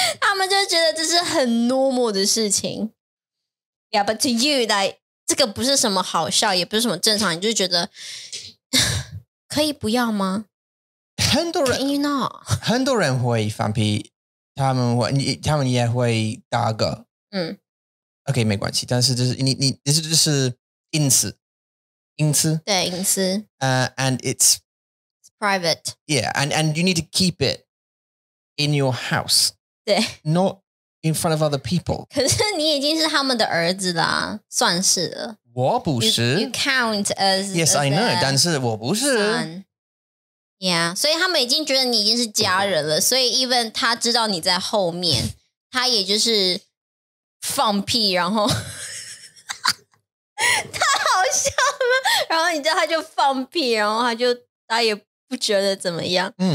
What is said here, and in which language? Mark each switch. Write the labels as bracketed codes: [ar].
[zh] 他们就觉得这是很 normal 的事情。 [en] Yeah, but to you that [zh] 这个不是什么好笑，也不是什么正常，你就觉得。可以不要吗？很多人 [en] Can you not? [zh] 很多人会放屁，他们也会打嗝。 OK, 没关系，但是就是你这就是隐私，对隐私。 [en] And it's private. Yeah, and you need to keep it in your house. [zh] 对 [en] ，not in front of other people. [zh] 可是你已经是他们的儿子啦，算是了。我不是 [en] you count as yes I know [zh] 但是我不是 yeah 所以他们已经觉得你已经是家人了所以 even 他知道你在后面他也就是放屁然后太好笑了然后你知道他就放屁然后他也不觉得怎么样